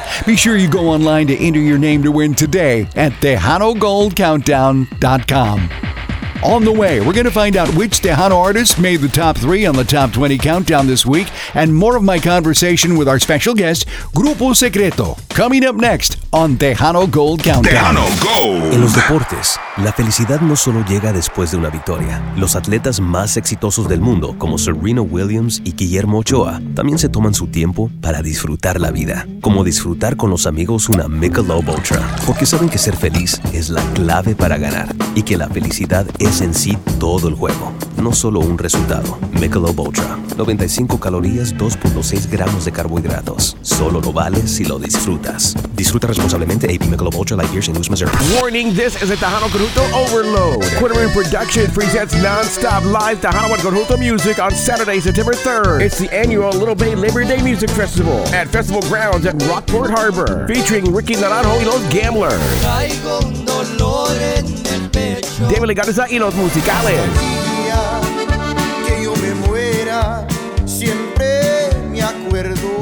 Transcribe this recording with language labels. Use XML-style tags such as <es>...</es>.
<en>Be sure you go online to enter your name to win today at TejanoGoldCountdown.com. On the way, we're going to find out which Tejano artist made the top 3 on the Top 20 Countdown this week, and more of my conversation with our special guest, Grupo Secreto, coming up next on Tejano Gold Countdown. Tejano Gold.</en> <es>En los deportes, la felicidad no solo llega después de una victoria. Los atletas más exitosos del mundo, como Serena Williams y Guillermo Ochoa, también se toman su tiempo para disfrutar la vida. Como disfrutar con los amigos una Michelob Ultra. Porque saben que ser feliz es la clave para ganar. Y que la felicidad es en sí todo el juego, no solo un resultado. Michelob Ultra, 95 calorías, 2.6 gramos de carbohidratos. Solo lo vale si lo disfrutas. Disfruta responsablemente. AB Michelob Ultra Light Beer, St. Louis, Missouri.</es> <en>Warning, this is a Tejano Conjunto Overload. Quitter in production presents non-stop live Tejano and Conjunto music on Saturday, September 3rd. It's the annual Little Bay Labor Day Music Festival at Festival Grounds at Rockport Harbor. Featuring Ricky Naranjo y Los Gamblers.</en> <es>Caigo un dolor en el pecho. Debe ligar esa y los musicales. Que yo me muera, siempre me acuerdo.</es>